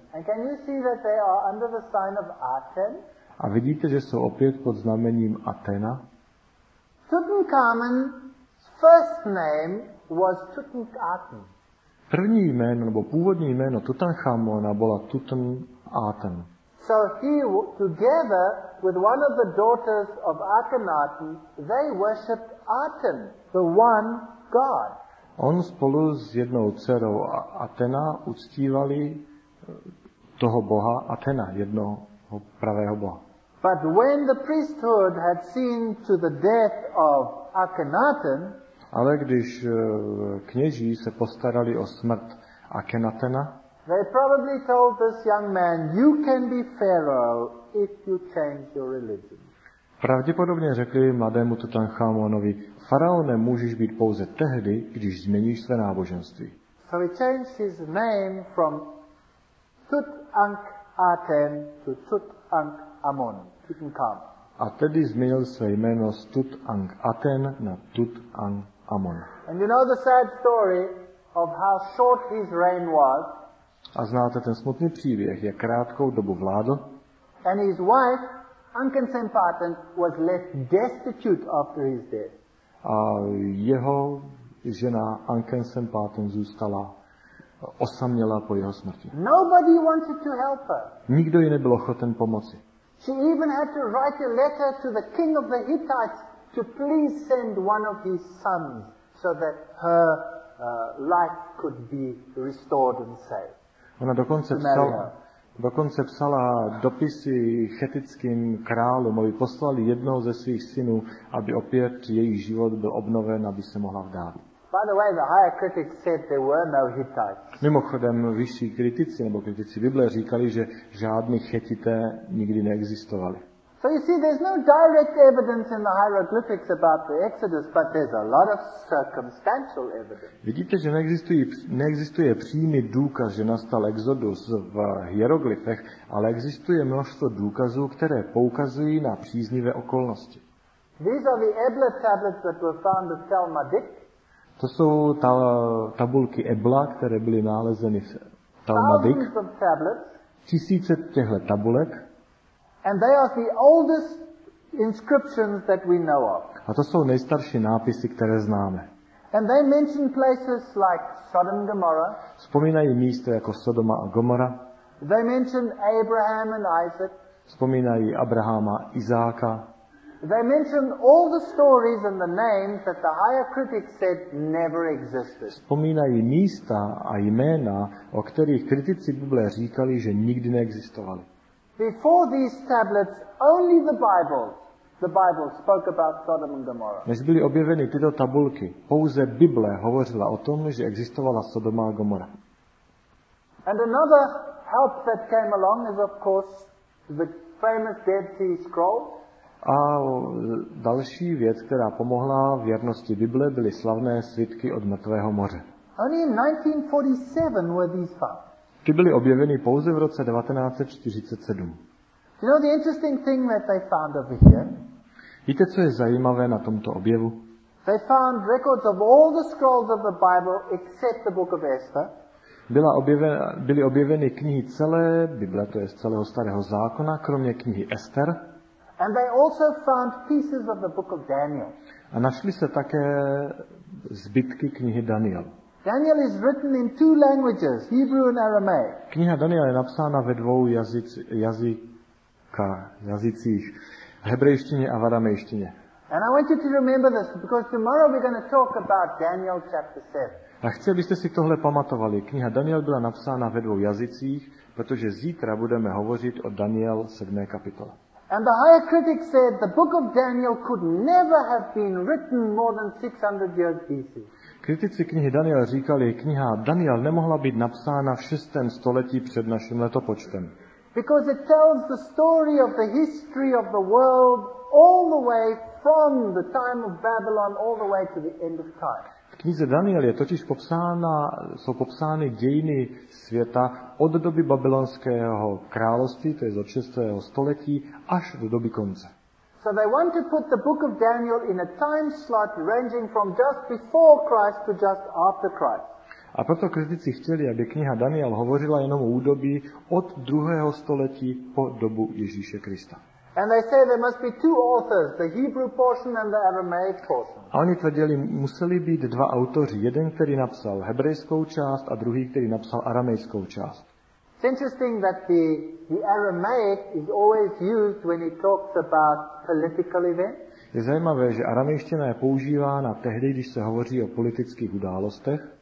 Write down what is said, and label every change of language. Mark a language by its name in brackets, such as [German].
[English] And can you see that they are under the sign of Aten? [Czech] A vidíte, že jsou opět pod znamením Atena? [English] Tutankhamun's first name was Tutankhaten. [Czech] První jméno, nebo původní jméno Tutankhamona byla Tutankhaten. [English] So he, together with one of the daughters of Akhenaten, they worshipped Aten, the one God. [Czech] On spolu s jednou dcerou Atena uctívali toho boha Atena, jednoho pravého boha. [English] But when the priesthood had seen to the death of Akhenaten, [Czech] ale když kněží se postarali o smrt Akhenatena, [English] they probably told this young man, you can be Pharaoh if you change your religion. [Czech] Pravděpodobně řekli mladému Tutankhamonovi, faraone můžeš být pouze tehdy, když změníš své náboženství. [English] So he changed his name from Tutankhaten to Tutankhamon, Tutankhamon. [Czech] A tedy změnil své jméno z Tutankhaten na Tutankhamon. [English] And you know the sad story of how short his reign was. [Czech] A znáte ten smutný příběh, jak krátkou dobu vládl. [English] And his wife Ankhensenpaten was left destitute after his death. [Czech] A jeho žena Ankhensenpaten zůstala osaměla po jeho smrti. [English] Nobody wanted to help her. [Czech] Nikdo jí nebyl ochoten pomoci. [English] She even had to write a letter to the king of the Hittites to please send one of his sons so that her life could be restored and saved. [Czech] Ona dokonce psala dopisy chetickým králům, aby poslali jednoho ze svých synů, aby opět její život byl obnoven, aby se mohla vdát. [English] By the way, the higher critics said there were no Hittites. [Czech] Mimochodem, vyšší kritici nebo kritici Bible říkali, že žádní Chetité nikdy neexistovali. [English] So you see, there's no direct evidence in the hieroglyphics about the Exodus, but there's a lot of circumstantial evidence. [Czech] Vidíte, že neexistuje přímý důkaz, že nastal exodus v hieroglyfech, ale existuje množstvo důkazů, které poukazují na příznivé okolnosti. [English] These are the Ebla tablets that were found at Talmadic. [Czech] To jsou tabulky Ebla, které byly nalezeny v Talmadic. Tisíce těchto tabulek. [English] And they are the oldest inscriptions that we know of. [Czech] A to jsou nejstarší nápisy, které známe. [English] And they mention places like Sodom and Gomorrah. [Czech] Vzpomínají místa jako Sodoma a Gomora. [English] They mention Abraham and Isaac. [Czech] Vzpomínají Abrahama a Izáka. [English] They mention all the stories and the names that the higher critics said never existed. [Czech] Vzpomínají místa a jména, o kterých kritici Bible říkali, že nikdy neexistovali. [English] Before these tablets, only the Bible spoke about Sodom and Gomorrah. [Czech] Než byly objeveny tyto tabulky, pouze Bible hovořila o tom, že existovala Sodoma a Gomora. [English] And another help that came along is of course the famous Dead Sea Scrolls. [Czech] A další věc, která pomohla věrnosti Bible, byly slavné svitky od mrtvého moře. [English] Only in 1947 were these found. [Czech] Ty byly objeveny pouze v roce 1947. [English] You know the interesting thing that they found over here? [Czech] Víte, co je zajímavé na tomto objevu? [English] They found records of all the scrolls of the Bible except the book of Esther. [Czech] Byly objeveny knihy celé Bible, to je z celého starého zákona, kromě knihy Ester. [English] And they also found pieces of the book of Daniel. [Czech] A našli se také zbytky knihy Daniel. [English] Daniel is written in two languages, Hebrew and Aramaic. [Czech] Kniha Daniel je napsána ve dvou jazycích, hebrejštině a aramejštině. [English] And I want you to remember this because tomorrow we're going to talk about Daniel chapter 7. [Czech] A chci, abyste si tohle pamatovali. Kniha Daniel byla napsána ve dvou jazycích, protože zítra budeme hovořit o Daniel 7. kapitole. [English] And the higher critic said the book of Daniel could never have been written more than 600 years BC. [Czech] Kritici knihy Daniel říkali, kniha Daniel nemohla být napsána v 6. století před naším letopočtem. [English] Because it tells the story of the history of the world all the way from the time of Babylon all the way to the end of time. [Czech] V knize Daniel je totiž popsány dějiny světa od doby babylonského království, to je od 6. století, až do doby konce. [English] So they want to put the book of Daniel in a time slot ranging from just before Christ to just after Christ. [Czech] A proto kritici chtěli, aby kniha Daniel hovořila jenom o údobí od 2. století po dobu Ježíše Krista. [English] And they say there must be two authors, the Hebrew portion and the Aramaic portion. [Czech] A oni tvrdili, museli být dva autoři, jeden, který napsal hebrejskou část a druhý, který napsal aramejskou část. [English] It's interesting that the Aramaic is always used when it talks about political events. [Czech] Je zajímavé, že aramejština je používána tehdy, když se hovoří o politických událostech.